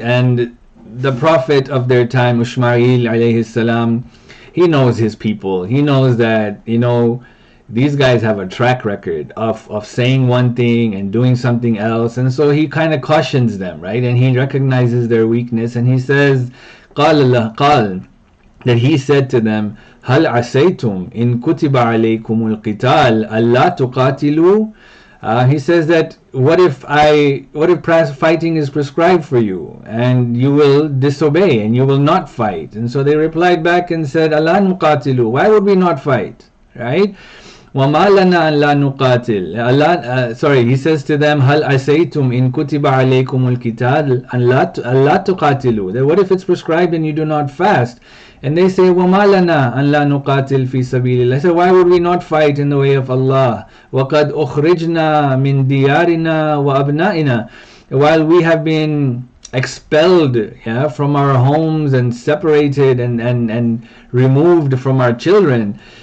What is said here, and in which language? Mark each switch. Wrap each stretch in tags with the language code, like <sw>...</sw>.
<en>And the prophet of their time, Ishmael alayhi salam, he knows his people. He knows that, you know, these guys have a track record of saying one thing and doing something else. And so he kind of cautions them, right? And he recognizes their weakness. And he says,</en> <ar>قال,</ar> <en>that he said to them,</en> <ar>هَلْ عَسَيْتُمْ إِن كُتِبَ عَلَيْكُمُ الْقِتَالِ أَلَّا تُقَاتِلُوا.</ar> <en>He says that, what if fighting is prescribed for you and you will disobey and you will not fight? And so they replied back and said,</en> <ar>أَلَا نُقَاتِلُوا.</ar> <en>Why would we not fight, right?</en> <ar>وَمَا لَنَا أَن لَا نُقَاتِلْ.</ar> <en>He says to them,</en> <ar>هَلْ عَسَيْتُمْ إِن كُتِبَ عَلَيْكُمُ الْقِتَالِ أَلَّا تُقَاتِلُوا.</ar> <en>That what if it's prescribed and you do not fast? And they say,</en> <ar>وَمَا لَنَا أَن لَا نُقَاتِلْ فِي سَبِيلِ اللَّهِ.</ar> <en>I say, why would we not fight in the way of Allah?</en> <ar>وَقَدْ أُخْرِجْنَا مِن دِيَارِنَا وَأَبْنَائِنَا.</ar> <en>While we have been expelled, yeah, from our homes and separated and removed from our children.</en>